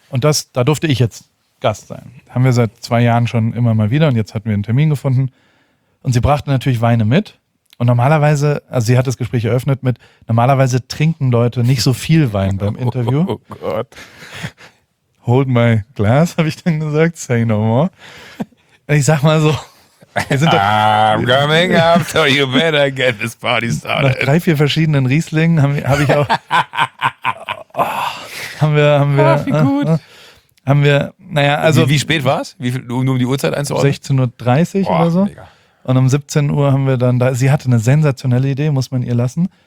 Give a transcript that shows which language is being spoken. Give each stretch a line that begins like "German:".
German: Und da durfte ich jetzt Gast sein. Haben wir seit 2 Jahren schon immer mal wieder und jetzt hatten wir einen Termin gefunden. Und sie brachte natürlich Weine mit. Und normalerweise, also sie hat das Gespräch eröffnet mit, normalerweise trinken Leute nicht so viel Wein beim Interview. Oh Gott.
English: Hold my glass,
German: habe ich dann gesagt.
English: Say no more.
German: Ich sag mal so. Wir sind doch,
English: I'm coming up, so you better get this party started.
German: Nach 3-4 verschiedenen Rieslingen habe ich auch. Haben wir. Haben wir. Naja, also. Wie spät war es? Um die Uhrzeit einzuordnen? 16:30 Uhr oder so. Mega. Und um 17 Uhr haben wir dann da. Sie hatte eine sensationelle Idee, muss man ihr lassen.